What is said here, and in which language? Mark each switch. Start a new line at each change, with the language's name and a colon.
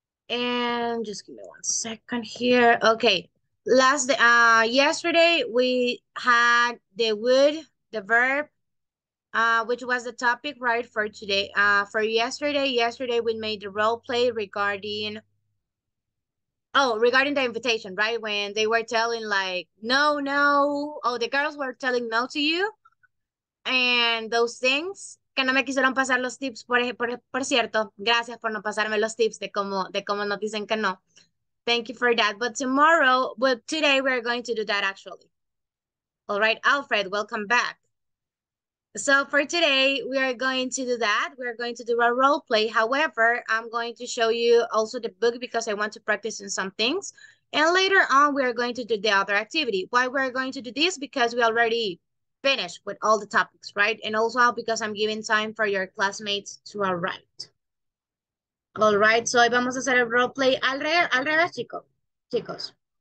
English: And just give me one second here. Okay, yesterday we had the would, the verb, which was the topic, right, for today. For yesterday we made the role play regarding the invitation, right? When they were telling like no, oh, the girls were telling no to you and those things.
Spanish: Que no me quisieron pasar los tips, por cierto, gracias por no pasarme los tips de cómo nos dicen que no.
English: Thank you for that. But tomorrow, well, today we're going to do that actually. All right, Alfred, welcome back. So for today, we are going to do that. We're going to do a role play. However, I'm going to show you also the book because I want to practice in some things. And later on, we are going to do the other activity. Why we're going to do this? Because we already finish with all the topics, right? And also because I'm giving time for your classmates to arrive. All right, so
Spanish: hoy vamos a hacer el role play al revés, chicos.